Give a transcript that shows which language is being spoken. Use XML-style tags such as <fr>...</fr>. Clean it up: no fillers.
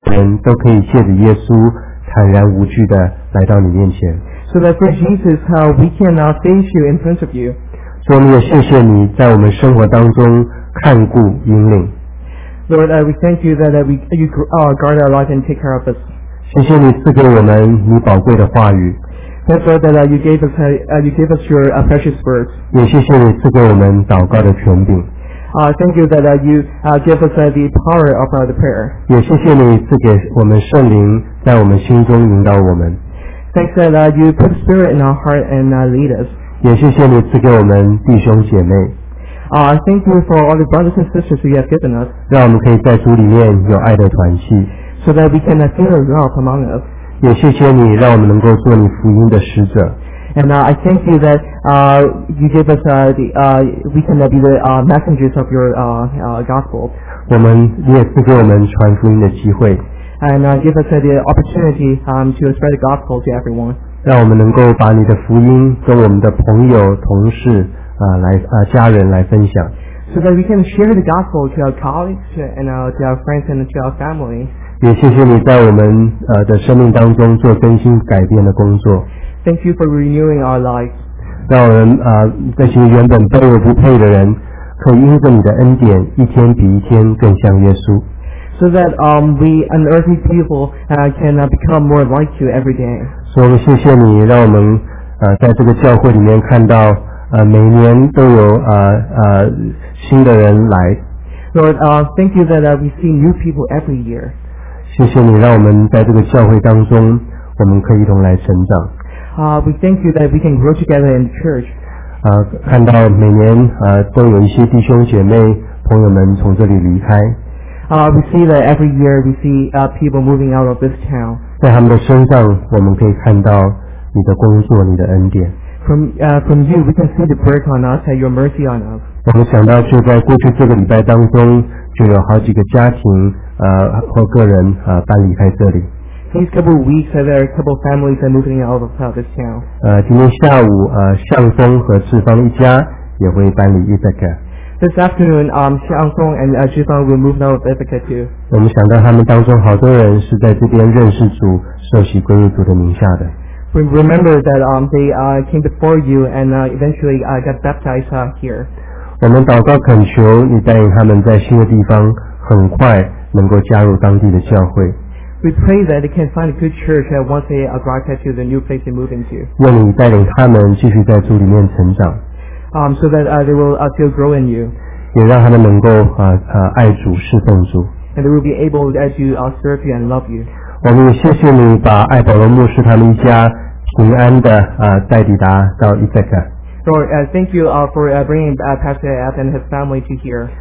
<zh>人都可以借着耶稣坦然无惧地来到你面前。</zh> <en>So that through Jesus, how we can now face you in front of you.</en> <zh>主，我们也谢谢你在我们生活当中看顾引领。</zh> <en>Lord, we thank you that you guard our life and take care of us.</en> <zh>谢谢你赐给我们你宝贵的话语。</zh> <en>Thank you that you gave us your precious words.</en> <zh>也谢谢你赐给我们祷告的权柄。</zh> <en>Thank you that you give us the power of the prayer.</en> <zh>也谢谢你赐给我们圣灵在我们心中引导我们。</zh> <en>Thanks that you put spirit in our heart and lead us.</en> <zh>也谢谢你赐给我们弟兄姐妹。</zh> <en>Thank you for all the brothers and sisters you have given us.</en> <zh>让我们可以在主里面有爱的团契。</zh> <en>So that we can feel love among us.</en> <zh>也谢谢你让我们能够做你福音的使者。</zh> <en>And I thank you that you give us the messengers of your gospel.</en> <zh>我们也赐给我们传福音的机会。</zh> <en>And give us the opportunity to spread the gospel to everyone.</en> <zh>让我们能够把你的福音跟我们的朋友、同事、家人来分享。</zh> <en>So that we can share the gospel to our colleagues, to our friends and to our family.</en> <zh>也谢谢你在我们的生命当中做更新改变的工作。</zh> <en>Thank you for renewing our lives.</en> <zh>让我们这些原本卑微不配的人，可以因着你的恩典，一天比一天更像耶稣。</zh> <en>So that we unearthly people can become more like you every day.</en> <zh>所以我们谢谢你，让我们在这个教会里面看到每年都有新的人来。</zh> <en>Lord, thank you that we see new people every year.</en> <zh>谢谢你，让我们在这个教会当中，我们可以一同来成长。</zh> <en>We thank you that we can grow together in the church.</en> <zh>看到每年都有一些弟兄姐妹朋友们从这里离开。</zh> <en>We see that every year we see people moving out of this town.</en> <zh>在他们的身上，我们可以看到你的工作，你的恩典。</zh> <en>From you, we can see the work on us and your mercy on us.</en> <zh>我们想到就在过去这个礼拜当中，就有好几个家庭或个人搬离开这里。</zh> <en>These couple of weeks, there are a couple of families that are moving out of this town.</en> <zh>今天下午向东和志芳一家也会搬离伊德克。</zh> <en>This afternoon, Xiang Song and Zhi Fang will move out of Ithaca too.</en> <zh>我们想到他们当中好多人是在这边认识主、受洗归入主的名下的。</zh> <en>We remember that they came before you and eventually got baptized here.</en> <zh>我们祷告恳求你带领他们在新的地方很快能够加入当地的教会。</zh> <en>We pray that they can find a good church once they graduate to the new place they move into.</en> <zh>愿你带领他们继续在主里面成长。</zh> <en>So that they will still grow in you.</en> <zh>也让他们能够爱主、侍奉主。</zh> <en>And they will be able to serve you and love you.</en> <zh>我们也谢谢你把爱保罗牧师他们一家平安的带抵达到伊塞克。</zh> <en>Lord, thank you for bringing Pastor F and his family to here.</en>